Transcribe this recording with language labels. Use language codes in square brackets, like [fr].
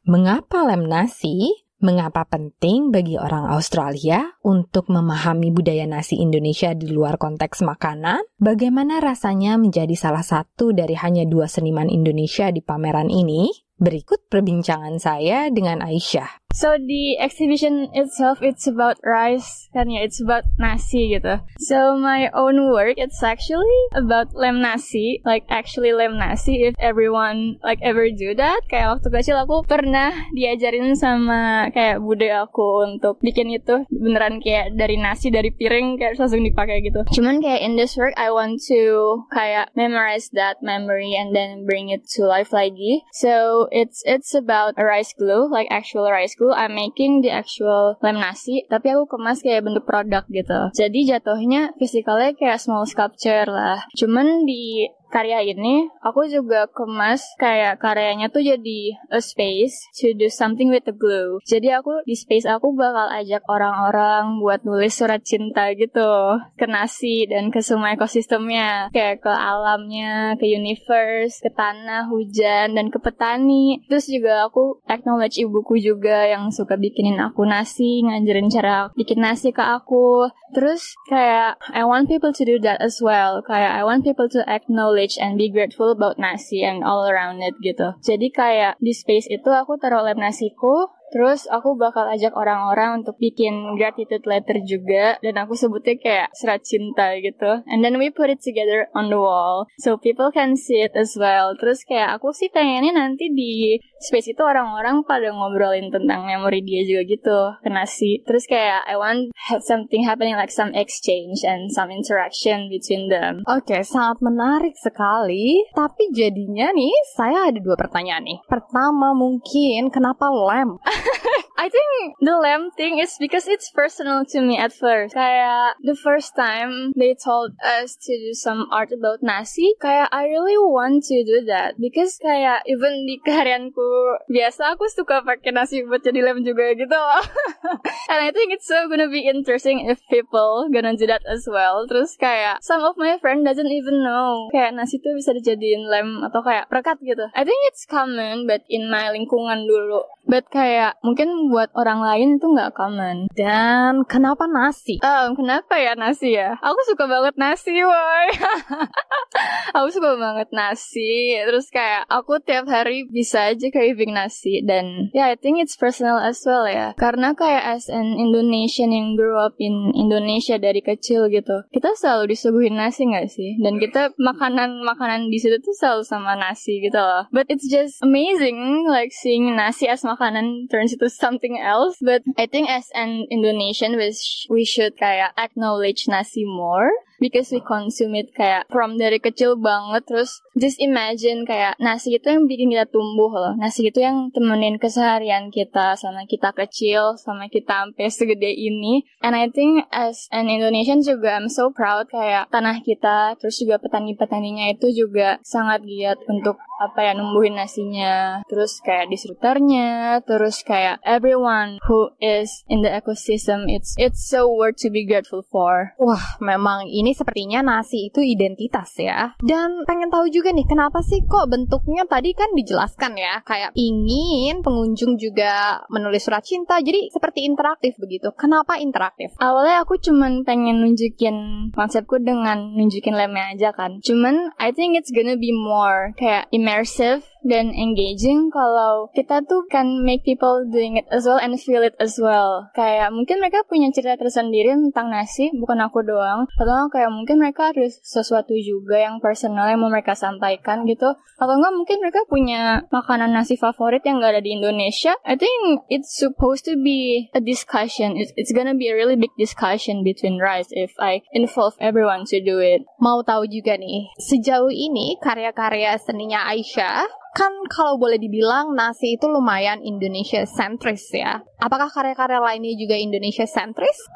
[id] Mengapa lemnasi? Mengapa penting bagi orang Australia untuk memahami budaya nasi Indonesia di luar konteks makanan? Bagaimana rasanya menjadi salah satu dari hanya dua seniman Indonesia di pameran ini? Berikut perbincangan saya dengan Aisyah. [en] So the exhibition itself, it's about rice, [id] kan ya, [en] it's about nasi [id] gitu. [en] So my own work, it's actually about lem nasi, like actually lem nasi, if everyone like ever do that. [id] Kayak waktu kecil aku pernah diajarin sama kayak bude aku untuk bikin itu, beneran kayak dari nasi, dari piring, kayak langsung dipakai gitu. Cuman kayak [en] in this work, I want to kayak memorize that memory and then bring it to life [id] lagi. [en] So it's about a rice glue, like actual rice glue. I'm making the actual [id] lem nasi, tapi aku kemas kayak bentuk produk gitu. Jadi jatuhnya fisikalnya kayak [en] small sculpture [id] lah. Cuman di karya ini, aku juga kemas kayak karyanya tuh jadi [en] a space to do something with the glue. [id] Jadi aku, di space aku bakal ajak orang-orang buat nulis surat cinta gitu, ke nasi dan ke semua ekosistemnya. Kayak ke alamnya, ke universe, ke tanah, hujan, dan ke petani. Terus juga aku acknowledge ibuku juga yang suka bikinin aku nasi, ngajarin cara bikin nasi ke aku. Terus kayak, [en] I want people to do that as well. Kayak, I want people to acknowledge and be grateful about nasi and all around it [id] gitu. Jadi kayak di space itu aku taruh lem nasiku, terus aku bakal ajak orang-orang untuk bikin [en] gratitude letter [id] juga, dan aku sebutnya kayak surat cinta gitu. [en] And then we put it together on the wall so people can see it as well. [id] Terus kayak aku sih pengennya nanti di space itu orang-orang pada ngobrolin tentang memori dia juga gitu, ke nasi. Terus kayak [en] I want have something happening, like some exchange and some interaction between them. [id] Okay, sangat menarik sekali. Tapi jadinya nih, saya ada dua pertanyaan nih. Pertama mungkin, kenapa lem? [en] I think the lamb thing is because it's personal to me at first. [id] Kayak [en] the first time they told us to do some art about nasi, kayak I really want to do that. Because [id] kayak [en] even [id] di karyanku biasa, aku suka pakai nasi buat jadi lamb juga gitu. [en] And I think it's so gonna be interesting if people gonna do that as well. [id] Terus kayak [en] some of my friend doesn't even know [id] kayak nasi tuh bisa dijadiin lamb atau kayak perekat gitu. [en] I think it's common, but in my [id] lingkungan dulu. But kayak mungkin buat orang lain itu nggak common. Dan kenapa nasi? Kenapa ya nasi ya? Aku suka banget nasi, woy. Aku suka banget nasi. Terus kayak aku tiap hari bisa aja craving nasi. Dan ya, [en] yeah, I think it's personal as well ya. [id] Karena kayak [en] as an Indonesian [id] yang [en] grew up in Indonesia [id] dari kecil gitu, kita selalu disuguhin nasi nggak sih? Dan kita makanan-makanan di situ tuh selalu sama nasi gitu loh. [en] But it's just amazing like seeing nasi as makanan turns into something else. But I think as an Indonesian, we should kayak acknowledge nasi more, because we consume it kayak from [id] dari kecil banget. Terus [en] just imagine [id] kayak nasi itu yang bikin kita tumbuh loh. Nasi itu yang temenin keseharian kita sama kita kecil, sama kita sampai segede ini. [en] And I think as an Indonesian juga I'm so proud [id] kayak tanah kita, terus juga petani-petaninya itu juga sangat giat untuk apa ya, numbuhin nasinya, terus kayak [en] distributornya, terus kayak everyone who is in the ecosystem, it's so worth to be grateful for. [id] Wah, memang ini sepertinya nasi itu identitas ya. Dan pengen tahu juga nih, kenapa sih kok bentuknya tadi kan dijelaskan ya, kayak ingin pengunjung juga menulis surat cinta, jadi seperti interaktif begitu. Kenapa interaktif? Awalnya aku cuman pengen nunjukin konsepku dengan nunjukin lemnya aja kan. Cuman, [en] I think it's gonna be more kayak immersive dan engaging [id] kalau kita tuh [en] can make people doing it as well and feel it as well. [id] Kayak mungkin mereka punya cerita tersendiri tentang nasi, bukan aku doang. Atau kayak mungkin mereka ada sesuatu juga yang personal yang mau mereka sampaikan gitu. Atau enggak mungkin mereka punya makanan nasi favorit yang enggak ada di Indonesia. [en] I think it's supposed to be a discussion. It's gonna be a really big discussion between rice if I involve everyone to do it. [id] Mau tahu juga nih, sejauh ini karya-karya seninya Aisyah kan kalau boleh dibilang nasi itu lumayan Indonesia centris ya. Apakah karya-karya lainnya juga Indonesia centris?